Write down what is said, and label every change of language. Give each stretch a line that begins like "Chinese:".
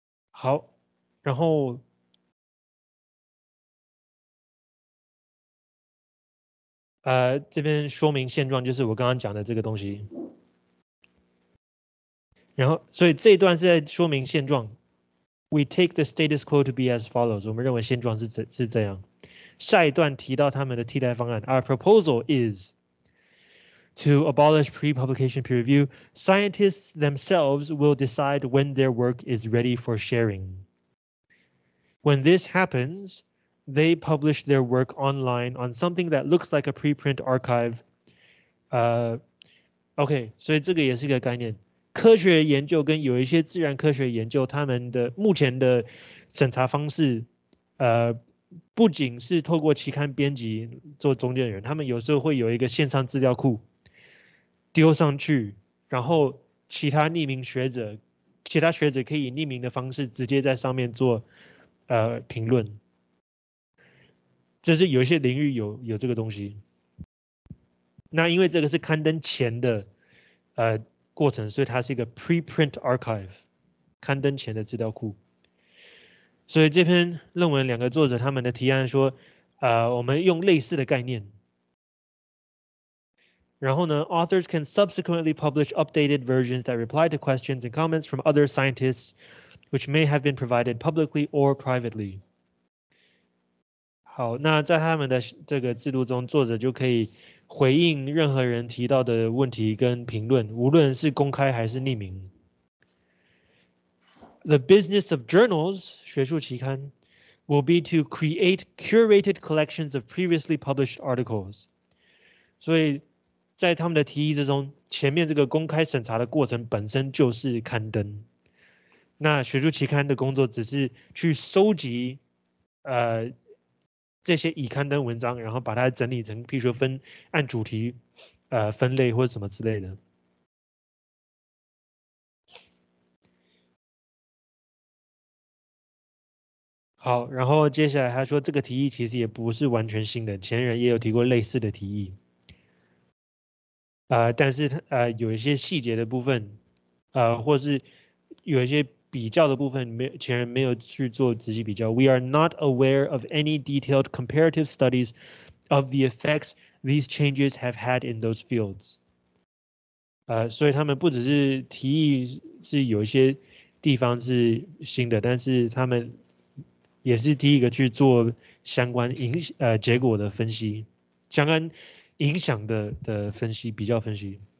Chinese: 好，然后这边说明现状，就是我刚刚讲的这个东西。然后，所以这一段是在说明现状。
English: We take the status quo to be as follows.
Chinese: 我们认为现状是这样。下一段提到他们的替代方案。
English: Our proposal is to abolish pre-publication peer review. Scientists themselves will decide when their work is ready for sharing. When this happens, they publish their work online on something that looks like a preprint archive.
Chinese: Okay, 所以这个也是一个概念。科学研究跟有一些自然科学研究，他们的目前的审查方式，不仅是透过期刊编辑做中间人，他们有时候会有一个线上资料库丢上去，然后其他匿名学者，其他学者可以匿名的方式直接在上面做评论，就是有一些领域有这个东西。那因为这个是刊登前的过程，所以它是一个 preprint archive， 刊登前的资料库。所以这篇论文两个作者他们的提案说，我们用类似的概念，然后呢
English: ，authors can subsequently publish updated versions that reply to questions and comments from other scientists, which may have been provided publicly or privately。
Chinese: 好，那在他们的这个制度中，作者就可以回应任何人提到的问题跟评论，无论是公开还是匿名。
English: The business of journals, 学术期刊, will be to create curated collections of previously published articles.
Chinese: 所以在他们的提议之中，前面这个公开审查的过程本身就是刊登。那学术期刊的工作只是去收集，这些已刊登文章，然后把它整理成，比如说分按主题，分类或什么之类的。好，然后接下来他说，这个提议其实也不是完全新的，前人也有提过类似的提议。但是有一些细节的部分，或是有一些比较的部分，前人没有去做仔细比较。
English: We are not aware of any detailed comparative studies of the effects these changes have had in those fields。
Chinese: 所以他们不只是提议是有一些地方是新的，但是他们也是第一个去做相关影结果的分析，相关影响的分析，比较分析。